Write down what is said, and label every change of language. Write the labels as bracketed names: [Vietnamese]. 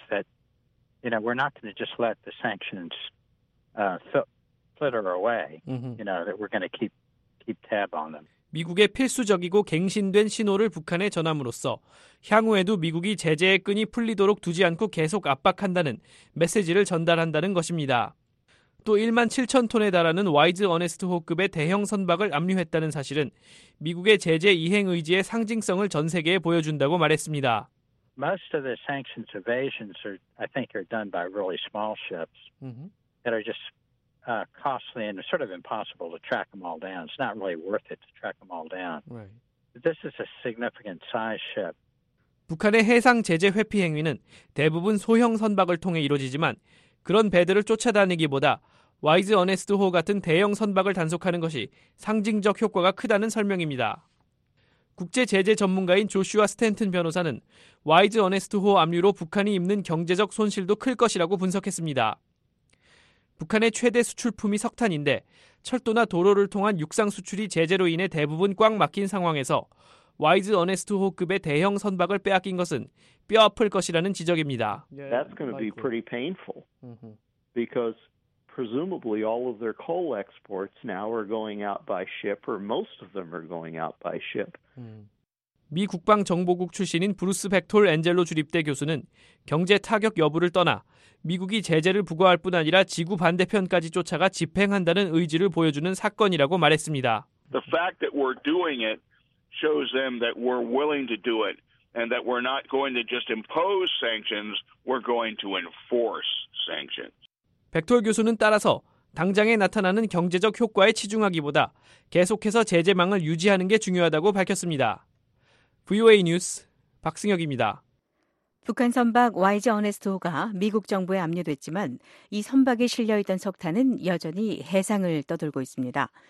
[English] that, you know, we're not going to just let the sanctions flitter away. You know, that we're going to keep tab on them. [Korean] 미국의 필수적이고 갱신된 신호를 북한에 전함으로써 향후에도 미국이 제재의 끈이 풀리도록 두지 않고 계속 압박한다는 메시지를 전달한다는 것입니다. 또 1만 7천 톤에 달하는 와이즈 어네스트호급의 대형 선박을 압류했다는 사실은 미국의 제재 이행 의지의 상징성을 전 세계에 보여준다고 말했습니다. [English] Most of the sanctions evasions are done by really small ships that are just costly and sort of impossible to track them all down. It's not really worth it to track them all down. Right. This is a significant size ship. [Korean] 북한의 해상 제재 회피 행위는 대부분 소형 선박을 통해 이루어지지만 그런 배들을 쫓아다니기보다 와이즈 어네스트 호 같은 대형 선박을 단속하는 것이 상징적 효과가 크다는 설명입니다. 국제 제재 전문가인 조슈아 스탠튼 변호사는 와이즈 어네스트 호 압류로 북한이 입는 경제적 손실도 클 것이라고 분석했습니다. 북한의 최대 수출품이 석탄인데 철도나 도로를 통한 육상 수출이 제재로 인해 대부분 꽉 막힌 상황에서 와이즈 어네스트 호급의 대형 선박을 빼앗긴 것은 뼈 아플 것이라는 지적입니다. [English] That's going to be pretty painful because presumably all of their coal exports now are going out by ship or most of them are going out by ship. [Korean] 미 국방정보국 출신인 브루스 백톨 엔젤로 주립대 교수는 경제 타격 여부를 떠나 미국이 제재를 부과할 뿐 아니라 지구 반대편까지 쫓아가 집행한다는 의지를 보여주는 사건이라고 말했습니다. [English] The fact that we're doing it shows them that we're willing to do it and that we're not going to just impose sanctions, we're going to enforce sanctions. [Korean] 백톨 교수는 따라서 당장에 나타나는 경제적 효과에 치중하기보다 계속해서 제재망을 유지하는 게 중요하다고 밝혔습니다. VOA 뉴스 박승혁입니다. 북한 선박 와이즈 어네스트호가 미국 정부에 압류됐지만 이 선박에 실려있던 석탄은 여전히 해상을 떠돌고 있습니다.